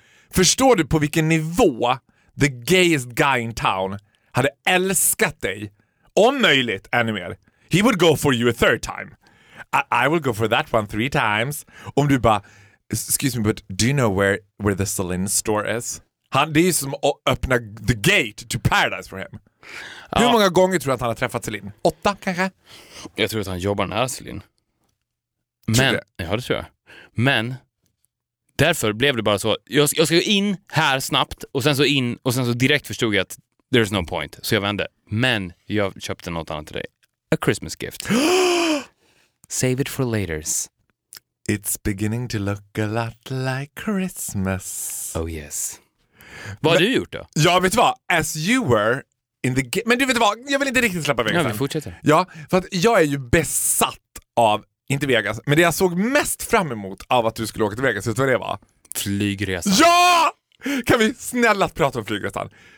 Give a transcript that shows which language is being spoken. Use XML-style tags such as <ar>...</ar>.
<sv>Förstår du på vilken nivå</sv> <en>the gayest guy in town</en> <sv>hade älskat dig? Om möjligt, ännu mer.</sv> <en>He would go for you a third time. I will go for that one three times.</en> <sv>Om du bara,</sv> <en>excuse me, but do you know where the Celine store is?</en> <sv>Han, det är som att öppna</sv> <en>the gate to paradise for him.</en> <sv>Ja. Hur många gånger tror du att han har träffat Celine? 8 kanske? Jag tror att han jobbar nära Celine. Men, ja, det tror jag. Men därför blev det bara så. Jag ska gå in här snabbt och sen så in och sen så direkt förstod jag att</sv> <en>there's no point.</en> <sv>Så jag vände. Men jag köpte något annat till dig.</sv> <en>A Christmas gift. Save it for laters. It's beginning to look a lot like Christmas. Oh yes.</en> <sv>Vad har du gjort då? Ja, vet du vad?</sv> <en>As you were in the</en> <sv>men du vet vad? Jag vill inte riktigt släppa Vegas. Ja, vi fortsätter. Ja, för att jag är ju besatt av, inte Vegas, men det jag såg mest fram emot av att du skulle åka till Vegas, vet du vad det var? Flygresan. Ja! Kan vi snälla prata om flygresan?</sv>